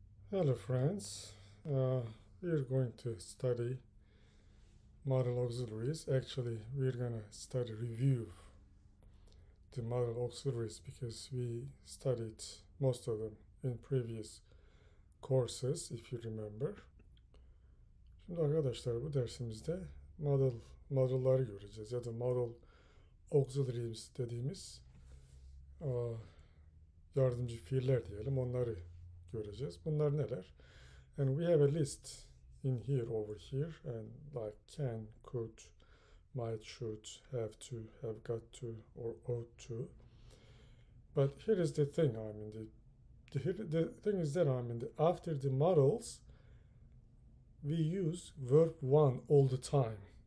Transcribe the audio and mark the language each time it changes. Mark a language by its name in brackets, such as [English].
[English] Hello friends, we're going to study model auxiliaries. Actually, we're gonna study review the model auxiliaries because we studied most of them in previous courses, if you remember. [Turkish] Şimdi arkadaşlar bu dersimizde modelları göreceğiz ya da model auxiliaries dediğimiz yardımcı fiiller diyelim onları göreceğiz. Bunlar neler? [English] And we have a list in here, over here, and like can, could, might, should, have to, have got to, or ought to. But here is the thing. I mean, the thing is that I mean, after the models, we use verb one all the time.